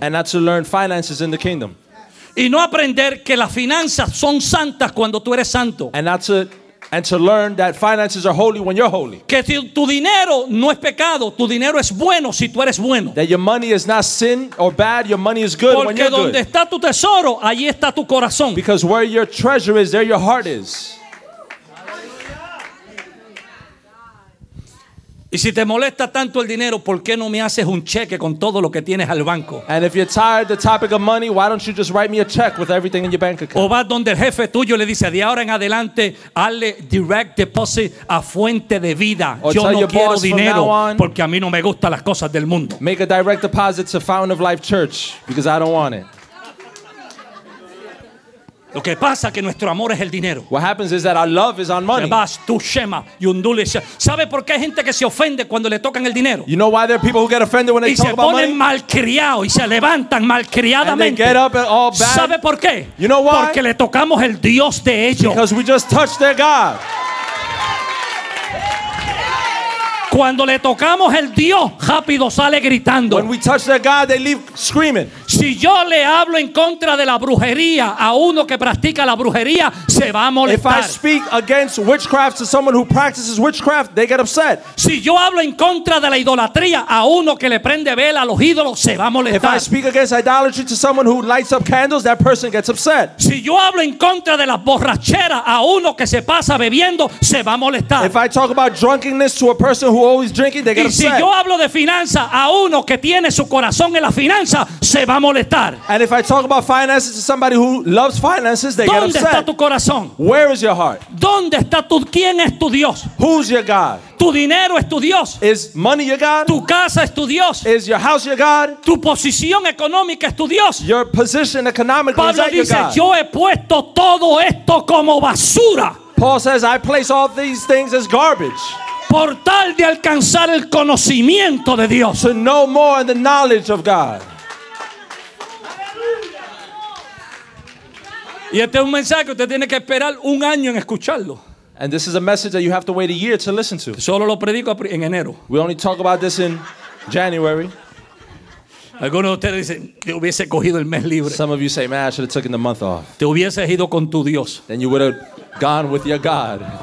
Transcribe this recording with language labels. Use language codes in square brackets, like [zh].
[en] And not to learn finances in the kingdom. [es] Y no aprender que las finanzas son santas cuando tú eres santo. [en] And not to And to learn that finances are holy when you're holy. [es] Que tu dinero no es pecado, tu dinero es bueno si tú eres bueno. [en] That your money is not sin or bad, your money is good [es] Porque [en] when you're [es] donde [en] good. [es] Está tu tesoro, allí está tu corazón. [en] Because where your treasure is, there your heart is. [es] Y si te molesta tanto el dinero, ¿por qué no me haces un cheque con todo lo que tienes al banco? [en] And if you're tired of the topic of money, why don't you just write me a check with everything in your bank account? [es] O vas donde el jefe tuyo le dice, de ahora en adelante, hazle direct deposit a Fuente de Vida. [en] Or [es] yo no quiero dinero [en] on, [es] porque a mí no me gustan las cosas del mundo. [en] Make a direct deposit to Fountain of Life Church because I don't want it. [es] Lo que pasa que nuestro amor es el dinero. [en] What happens is that our love is on money. Vas tu shema y undulisha. [es] ¿Sabe por qué hay gente que se ofende cuando le tocan el dinero? [en] You know why there are people who get offended when they talk about money? [es] Y se ponen malcriados y se levantan malcriadamente. [en] And they get up all bad. [es] ¿Sabe por qué? [en] You know why? [es] Porque le tocamos el Dios de ellos. [en] Because we just touched their God. [es] Cuando le tocamos el Dios, rápido sale gritando. [en] When we touch their God, they leave screaming. [es] Si yo le hablo en contra de la brujería a uno que practica la brujería, se va a molestar. [en] If I speak against witchcraft to someone who practices witchcraft, they get upset. [es] Si yo hablo en contra de la idolatría a uno que le prende vela a los ídolos, se va a molestar. [en] If I speak against idolatry to someone who lights up candles, that person gets upset. [es] Si yo hablo en contra de la borrachera a uno que se pasa bebiendo, se va a molestar. [en] If I talk about drunkenness to a person who always drinking, they get upset. [es] Y si yo hablo de finanzas a uno que tiene su corazón en la finanza, se va a molestar. [en] And if I talk about finances to somebody who loves finances, they [es] ¿Dónde [en] get upset. [es] Está tu corazón? [en] Where is your heart? [es] ¿Dónde está tu, quién es tu Dios? [en] Who's your God? [es] Tu dinero es tu Dios. [en] Is money your God? [es] Tu casa es tu Dios. [en] Is your house your God? [es] Tu posición económica es tu Dios. [en] Your position economically [es] Pablo [en] is that [es] dice, [en] your God? [es] Yo he puesto todo esto como basura. [en] Paul says, I place all these things as garbage. [es] Por tal de alcanzar el conocimiento de Dios. [en] To know more and the knowledge of God. [es] Y este es un mensaje que usted tiene que esperar un año en escucharlo. [en] And this is a message that you have to wait a year to listen to. [es] Solo lo predico en enero. [en] We only talk about this in January. [es] Algunos de ustedes dicen, te hubiese cogido el mes libre. [en] Some of you say, man, I should have taken the month off. [es] Te hubiese ido con tu Dios. [en] Then you would have gone with your God.